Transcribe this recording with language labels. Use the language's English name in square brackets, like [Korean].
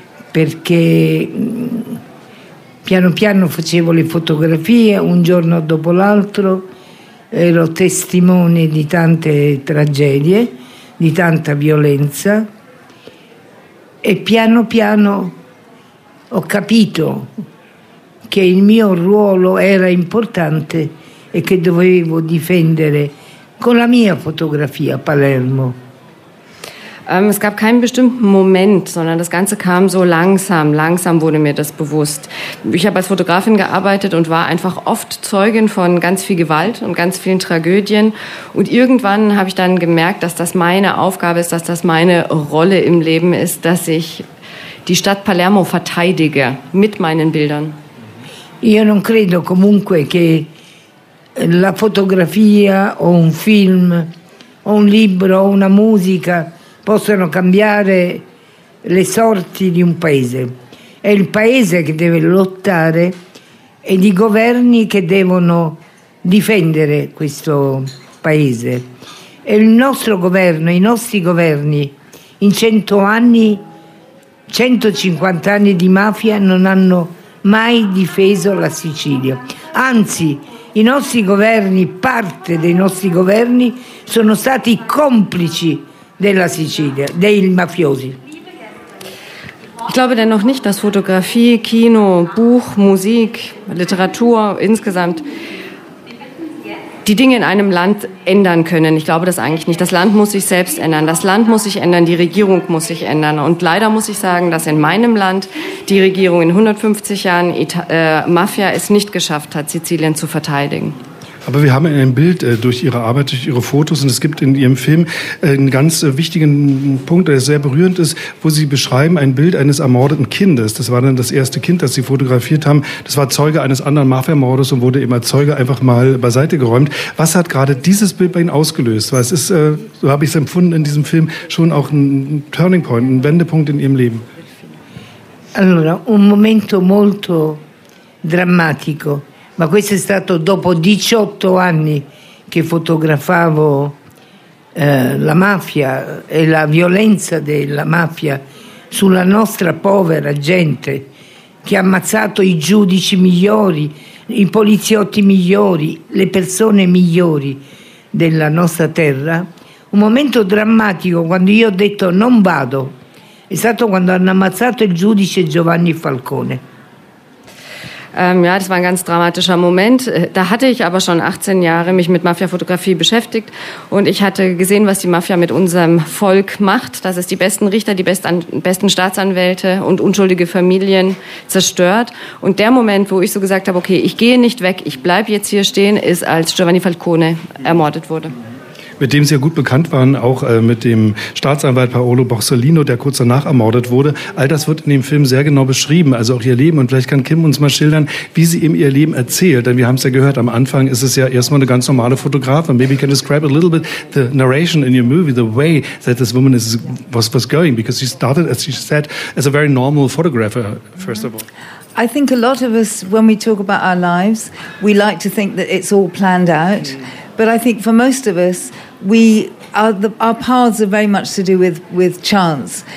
[Italian] Perché piano piano facevo le fotografie, un giorno dopo l'altro ero testimone di tante tragedie, di tanta violenza, e piano piano ho capito che il mio ruolo era importante e che dovevo difendere con la mia fotografia Palermo. [German] Es gab keinen bestimmten Moment, sondern das Ganze kam so langsam. Langsam wurde mir das bewusst. Ich habe als Fotografin gearbeitet und war einfach oft Zeugin von ganz viel Gewalt und ganz vielen Tragödien. Und irgendwann habe ich dann gemerkt, dass das meine Aufgabe ist, dass das meine Rolle im Leben ist, dass ich die Stadt Palermo verteidige mit meinen Bildern. [Italian] Io non credo comunque che la fotografia o un film o un libro o una musica possono cambiare le sorti di un paese. È il paese che deve lottare e i governi che devono difendere questo paese. E il nostro governo, i nostri governi, in 100 anni, 150 anni di mafia, non hanno mai difeso la Sicilia. Anzi, i nostri governi, parte dei nostri governi, sono stati complici della Sicilia, dei mafiosi. [German] Ich glaube dennoch nicht, dass Fotografie, Kino, Buch, Musik, Literatur insgesamt die Dinge in einem Land ändern können. Ich glaube das eigentlich nicht. Das Land muss sich selbst ändern. Das Land muss sich ändern, die Regierung muss sich ändern. Und leider muss ich sagen, dass in meinem Land die Regierung in 150 Jahren Mafia es nicht geschafft hat, Sizilien zu verteidigen. Aber wir haben ein Bild durch Ihre Arbeit, durch Ihre Fotos, und es gibt in Ihrem Film einen ganz wichtigen Punkt, der sehr berührend ist, wo Sie beschreiben ein Bild eines ermordeten Kindes. Das war dann das erste Kind, das Sie fotografiert haben. Das war Zeuge eines anderen Mafia-Mordes und wurde eben als Zeuge einfach mal beiseite geräumt. Was hat gerade dieses Bild bei Ihnen ausgelöst? Weil es ist, so habe ich es empfunden in diesem Film, schon auch ein Turning Point, ein Wendepunkt in Ihrem Leben. [Italian] Allora, un momento molto drammatico, ma questo è stato dopo 18 anni che fotografavo la mafia e la violenza della mafia sulla nostra povera gente che ha ammazzato i giudici migliori, i poliziotti migliori, le persone migliori della nostra terra. Un momento drammatico quando io ho detto non vado. È stato quando hanno ammazzato il giudice Giovanni Falcone. [German] Ja, das war ein ganz dramatischer Moment. Da hatte ich aber schon 18 Jahre mich mit Mafia-Fotografie beschäftigt und ich hatte gesehen, was die Mafia mit unserem Volk macht, dass es die besten Richter, die besten Staatsanwälte und unschuldige Familien zerstört. Und der Moment, wo ich so gesagt habe, okay, ich gehe nicht weg, ich bleibe jetzt hier stehen, ist, als Giovanni Falcone ermordet wurde. Mit dem Sie ja gut bekannt waren, auch mit dem Staatsanwalt Paolo Borsellino, der kurz danach ermordet wurde. All das wird in dem Film sehr genau beschrieben, also auch Ihr Leben. Und vielleicht kann Kim uns mal schildern, wie sie ihm ihr Leben erzählt. Denn wir haben es ja gehört, am Anfang ist es ja erstmal eine ganz normale Fotografin. [English] Maybe you can describe a little bit the narration in your movie, the way that this woman is was going. Because she started, as she said, as a very normal photographer, first of all. I think a lot of us, when we talk about our lives, we like to think that it's all planned out. But I think for most of us, our paths are very much to do with chance.